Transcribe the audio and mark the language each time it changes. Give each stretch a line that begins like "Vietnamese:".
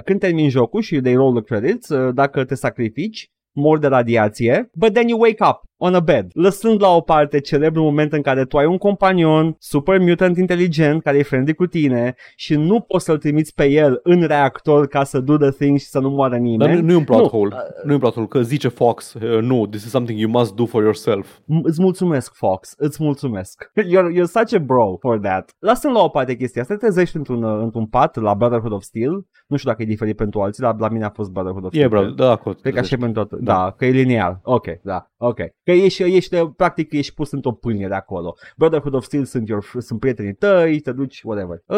Romanian: Când termin jocul și
English: they roll the credits,
Romanian: dacă te sacrifici, mor de radiație,
English: but then you wake up on a bed,
Romanian: lăsând la o parte celebrul moment în care tu ai un companion super mutant inteligent care e friendly cu tine și nu poți să-l trimiți pe el în reactor ca să
English: do the thing
Romanian: și să nu moară nimeni. Dar nu e un plot hole. Nu e un plot hole, că zice Fox,
English: no, this is something you must do for yourself.
Romanian: Îți mulțumesc, Fox, îți mulțumesc.
English: You're such a bro for that.
Romanian: Lăsând la o parte chestia asta, te trezești într-un pat la Brotherhood of Steel. Nu știu dacă e diferit pentru alții, dar la mine a fost Brotherhood of Steel. E, bro, da, acolo. Cred că așa e pentru tot. Da, că e lineal. Ok, da, ok. Că ești practic pus într-o pâine de acolo. Brotherhood of Steel sunt prietenii tăi, te duci, whatever.